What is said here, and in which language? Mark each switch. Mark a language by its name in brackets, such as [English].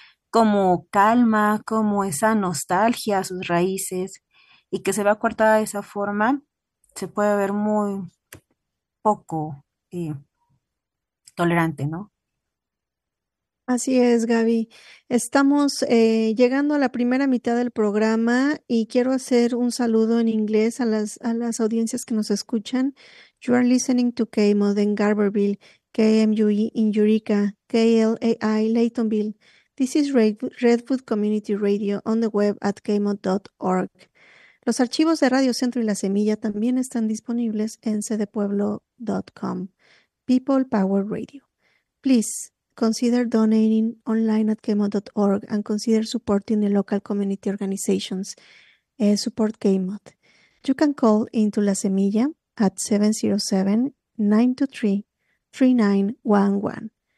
[Spanish] Como calma, como esa nostalgia a sus raíces, y que se vea coartada de esa forma, se puede ver muy poco tolerante, ¿no? Así es, Gaby. Estamos llegando a la primera mitad del programa y quiero hacer un saludo en inglés a las audiencias que nos escuchan. [English] You are listening to KMOD in Garberville, KMUE in Eureka, KLAI Laytonville. This is Redwood Community Radio on the web at kmod.org. [Spanish] Los archivos de Radio Centro y La Semilla también están disponibles en cdpueblo.com. [English] People Power Radio. Please consider donating online at kmod.org and consider supporting the local community organizations. Support KMOD. You can call into La Semilla at 707-923-3911.